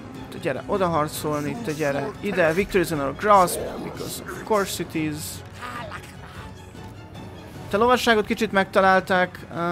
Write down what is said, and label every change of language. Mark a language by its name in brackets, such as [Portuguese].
[Hungarian] Te gyere oda harcolni, te gyere ide. [English] Victory is in our grasp, because of course it is. [Hungarian] Te lovasságot kicsit megtalálták.